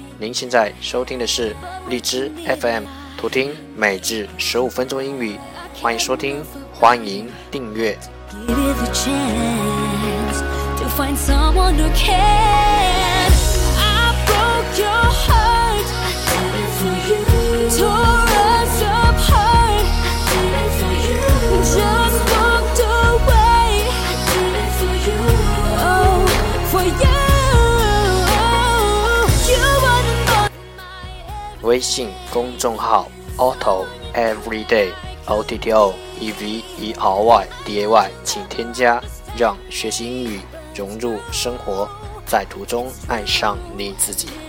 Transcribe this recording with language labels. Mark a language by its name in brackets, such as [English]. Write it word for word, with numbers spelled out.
[Chinese] 您现在收听的是荔枝 F M， 图听每日十五分钟英语。欢迎收听，欢迎订阅。 [English] Give it a chance to find someone who can. I broke your heart. I did it for you. Tore us apart. I did it for you. Just walked away. I did it for you. Oh, for you. You are the one in my everything. [Chinese] 微信公众号 Otto Everyday Otto Everyday， 请添加，让学习英语融入生活，在途中爱上你自己。